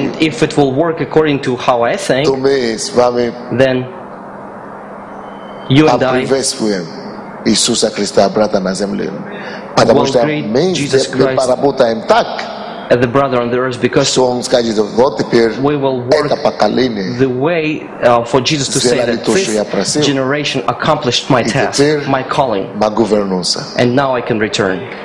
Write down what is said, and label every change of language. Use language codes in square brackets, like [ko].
[en] and if it will work according to how I think, [ru] то мы с вами [en] then you and I [ru] приветствуем Иисуса Христа обратно на землю. Потому что мы поработаем так, [en] as the brother on the earth, because we will work the way for Jesus to say that this generation accomplished my task, my calling, and now I can return.